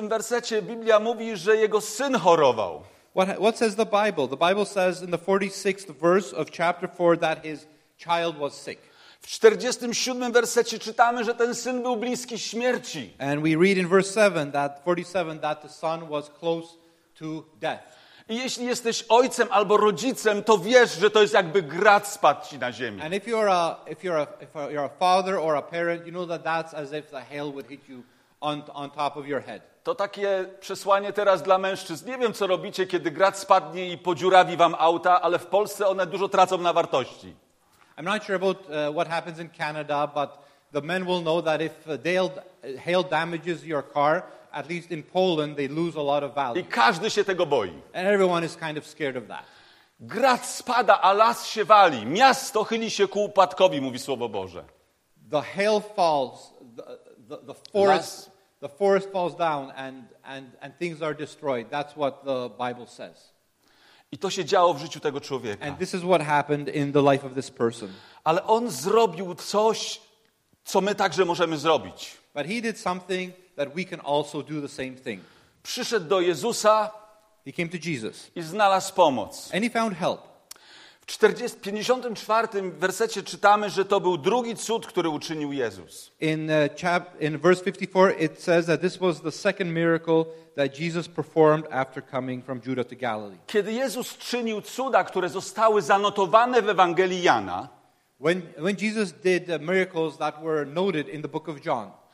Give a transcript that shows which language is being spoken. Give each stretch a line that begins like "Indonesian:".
Polish: wersecie Biblia mówi, że jego syn chorował.
English: What says the Bible? The Bible says in the 46th verse of chapter 4 that his child was sick.
Polish: W 47. wersecie czytamy, że ten syn był bliski śmierci.
English: And we read in verse 7 that 47 that the son was close to death.
Polish: I jeśli jesteś ojcem albo rodzicem, to wiesz, że to jest jakby grad spadł ci na ziemię.
English: And if you're a father or a parent, you know that that's as if the hail would hit you on top of your head.
Polish: To takie przesłanie teraz dla mężczyzn. Nie wiem, co robicie, kiedy grad spadnie i podziurawi wam auta, ale w Polsce one dużo tracą na wartości.
English: I'm not sure about what happens in Canada, but the men will know that if hail damages your car, at least in Poland, they lose a lot of value.
Polish: I każdy się tego boi.
English: And everyone is kind of scared of that.
Polish: Grad spada, a las się wali. Miasto chyli się ku upadkowi, mówi Słowo Boże.
English: The hail falls, the forest... Las... The forest falls down and things are destroyed. That's what the Bible says.
Polish: I to się działo w życiu tego człowieka.
English: And this is what happened in the life of this person.
Polish: Ale on zrobił coś, co my także możemy zrobić.
English: But he did something that we can also do the same thing.
Polish: Przyszedł do Jezusa.
English: He came to Jesus.
Polish: I znalazł pomoc.
English: And he found help.
Polish: W 54. wersecie czytamy, że to był drugi cud, który uczynił Jezus.
English: In verse 54 it says that this was the second miracle that Jesus performed after coming from Judah to Galilee.
Polish: Kiedy Jezus czynił cuda, które zostały zanotowane w Ewangelii Jana,
English: when Jesus did miracles that were noted in the book of John,